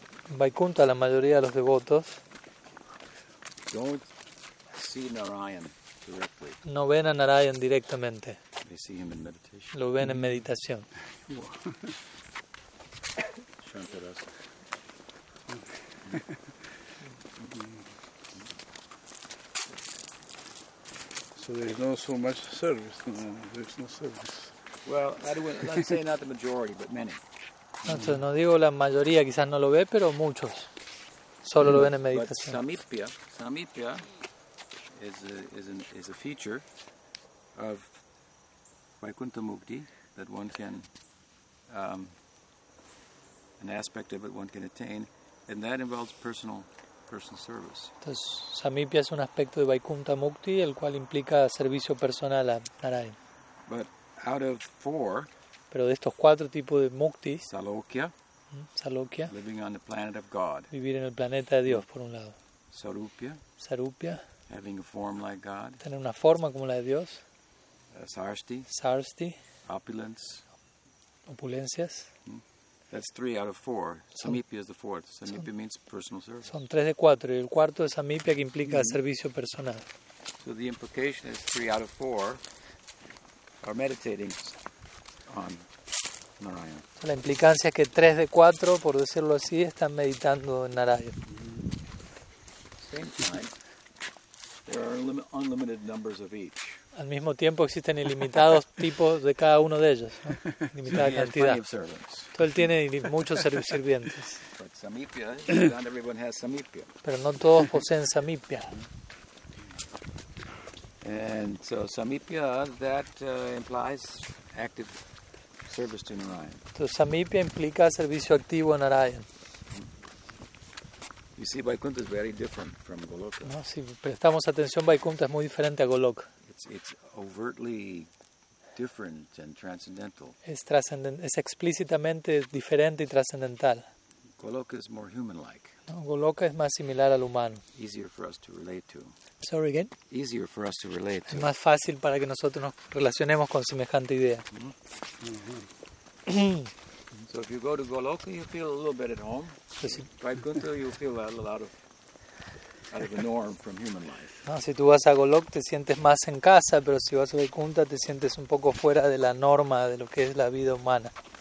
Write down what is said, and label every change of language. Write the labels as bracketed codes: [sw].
[es] En Vaikuntha, la mayoría de los devotos. [en] Don't see Narayan directly. [es] No ven a Narayan directamente. [en] They see him in meditation. [es] Lo ven en meditación. [en] Santa-rasa. So there's not so much service. No, there's no service. Well, let's say not the majority, but many. [es] Entonces, no digo la mayoría, quizás no lo ve, pero muchos. Solo lo ven en meditación. [en] But samipya is a feature of Vaikuntha Mukti, that one can, an aspect of it one can attain, and that involves personal service. [es] Entonces, Samipya es un aspecto de Vaikuntha Mukti, el cual implica servicio personal a Narayan. [en] But out of four, [es] pero de estos cuatro tipos de Mukti, [en] Salokya, living on the planet of God, [es] vivir en el planeta de Dios, por un lado, [en] Sarupya, having a form like God, [es] tener una forma como la de Dios, Sarsti, opulencias. [en] That's three out of four. Samipya is the fourth. Samipya means personal service. [es] Son tres de cuatro, y el cuarto es samipya, que implica servicio personal. [en] So the implication is three out of four are meditating on Narayan. So [es] la implicancia es que tres de cuatro, por decirlo así, están meditando en Narayan. [en] Same time, there are unlimited numbers of each. [es] Al mismo tiempo existen ilimitados tipos de cada uno de ellos, ¿no? Ilimitada [en] so [es] cantidad. Todo él tiene muchos sirvientes. Pero no todos poseen samipya. [en] And so samipya, that implies active service to Narayan. [es] Entonces samipya implica servicio activo en Narayan. [en] You see, Vaikuntha is very different from Goloka. [es] No, si prestamos atención, Vaikuntha es muy diferente a Goloka. [en] It's overtly different and transcendental. [es] Es explícitamente diferente y trascendental. [en] Goloka is more human-like. [es] No, Goloka es más similar al humano. [en] Easier for us to relate to. Sorry again. Easier for us to relate to. [es] Es más fácil para que nosotros nos relacionemos con semejante idea. Mm-hmm. [en] So if you go to Goloka, you feel a little bit at home. Vaikuntha, you feel a little out of the norm from human life. [es] No, si tú vas a Golok te sientes más en casa, pero si vas a Vaikuntha te sientes un poco fuera de la norma de lo que es la vida humana.